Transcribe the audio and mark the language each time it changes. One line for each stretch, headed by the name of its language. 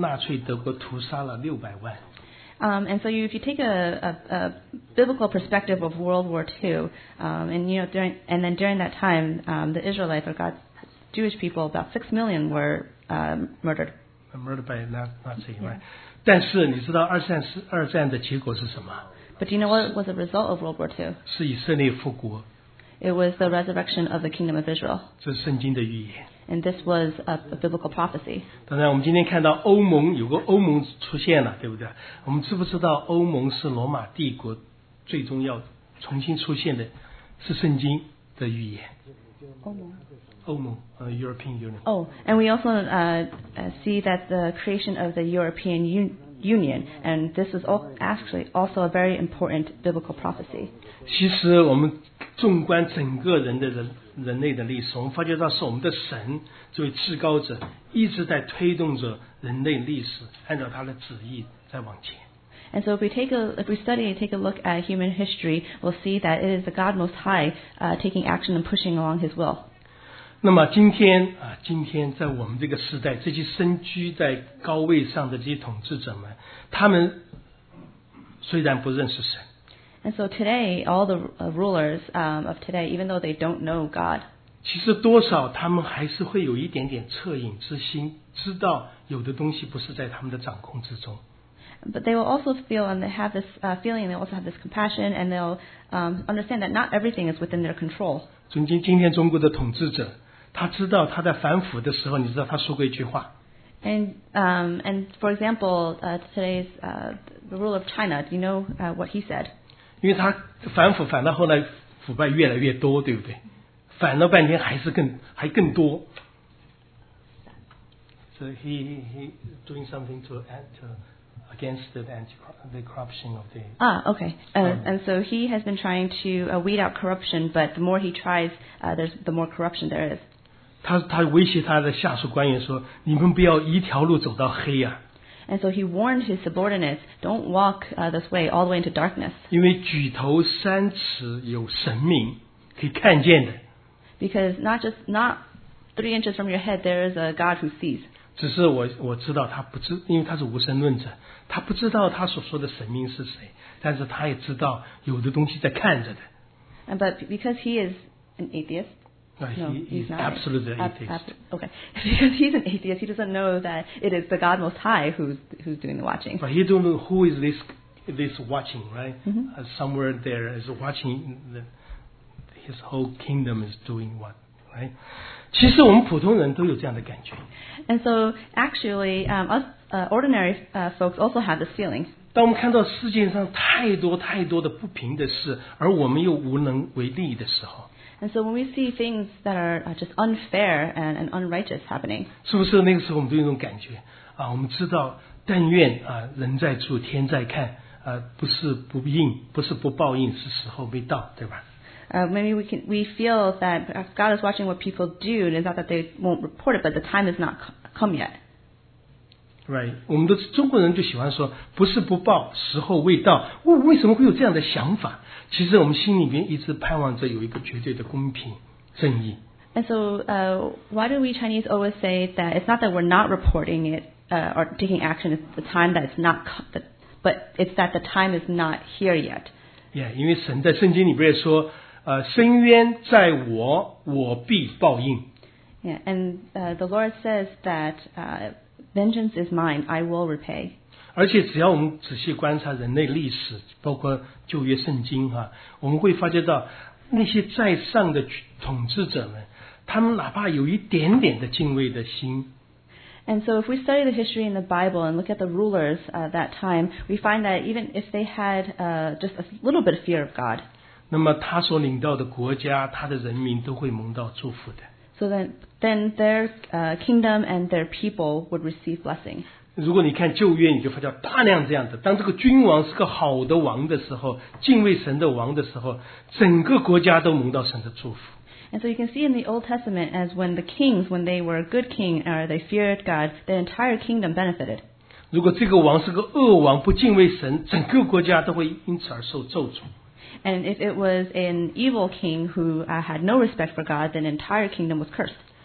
Chinese: 其实我们要去看看，从圣经的角度看第二次世界大战，我们不会吃惊。虽然以色列人啊被纳粹德国屠杀了600万。
English: And so if you take a biblical perspective of World War II, during that time, the Israelites or God's Jewish people, about 6 million were murdered. Murdered by Nazi, right? Yeah.
Chinese: 但是你知道二战的结果是什么？
English: But do you know what was the result of World War II?
Chinese: 是以色列复国。
English: It was the resurrection of the kingdom of Israel. And this was a biblical prophecy.
Chinese: 当然我们今天看到欧盟有个欧盟出现了对不对我们知不知道欧盟是罗马帝国最终要重新出现的是圣经的预言欧盟 European Union.
English: Oh, and we also see that the creation of the European Union, and this is actually also a very important biblical prophecy.
Chinese: 其实我们纵观整个人类的历史，我们发觉到是我们的神作为至高者，一直在推动着人类历史按照他的旨意在往前。
English: And so if we take a look at human history, we'll see that it is the God Most High, taking action and pushing along His will.
Chinese: 那么今天在我们这个时代，这些身居在高位上的这些统治者们，他们虽然不认识神。
English: And so today, all the rulers of today, even though they don't know God,
Chinese: 其实多少他们还是会有一点点恻隐之心，知道有的东西不是在他们的掌控之中。
English: But they will also feel and they have this feeling, they also have this compassion, and they'll understand that not everything is within their control.
Chinese: 尊敬今天中国的统治者，他知道他在反腐的时候，你知道他说过一句话。
English: And for example, today's the ruler of China, do you know what he said?
Chinese: 因为他反腐反到后来腐败越来越多，对不对？反了半天还更多。
English: So he doing something to against the corruption of the okay and so he has been trying to weed out corruption but the more he tries there's the more corruption there is
Chinese: 他威胁他的下属官员说你们不要一条路走到黑啊
English: and so he warned his subordinates don't walk this way all the way into darkness
Chinese: 因为举头三尺有神明可以看见的
English: because not 3 inches from your head there is a God who sees
Chinese: 只是我知道他不知，因为他是无神论者，他不知道他所说的神明是谁，但是他也知道有的东西在看着的。
English: But because he is an atheist, he's absolutely atheist. Okay, because he's an atheist, he doesn't know that it is the God Most High who's doing the watching. But he don't know who is this watching, right? Mm-hmm. Somewhere there is watching his whole kingdom is doing what, right?
Chinese: 其实我们普通人都有这样的感觉。
English: And so, actually, us ordinary folks also have this feeling.
Chinese: 当我们看到世界上太多太多的不平的事，而我们又无能为力的时候。
English: And so, when we see things that are just unfair and unrighteous happening.
Chinese: 是不是那个时候我们都有一种感觉？啊，我们知道，但愿啊，人在做，天在看，不是不应，不是不报应，是时候未到，对吧？
English: Maybe we feel that God is watching what people do, and it's not that they won't report it, but the time has not come yet. Right.
Chinese: 我们的中国人就喜欢说，不是不报，时候未到。为什么会有这样的想法？其实我们心里面一直盼望着有一个绝对的公平正义。
English: And so, why do we Chinese always say that it's not that we're not reporting it, or taking action, it's the time that it's not, but it's that the time is not here yet.
Chinese: Yeah, 因为神在圣经里边说。深渊在我，我必报应。
English: Yeah, and the Lord says that vengeance is mine, I will repay.
Chinese: 而且只要我们仔细观察人类历史，包括旧约圣经哈，我们会发觉到那些在上的统治者们，他们哪怕有一点点的敬畏的心。
English: And so if we study the history in the Bible and look at the rulers at that time, we find that even if they had just a little bit of fear of God,
Chinese: 那么他所领导的国家，他的人民都会蒙到祝福的。
English: So then their kingdom and their people would receive blessing.
Chinese: 如果你看旧约，你就发现大量这样子。当这个君王是个好的王的时候，敬畏神的王的时候，整个国家都蒙到神的祝福。
English: And so you can see in the Old Testament as when the kings, when they were a good king or they feared God, the entire kingdom benefited.
Chinese: 如果这个王是个恶王，不敬畏神，整个国家都会因此而受咒诅。
English: And if it was an evil king who had no respect for God, then the entire kingdom was cursed.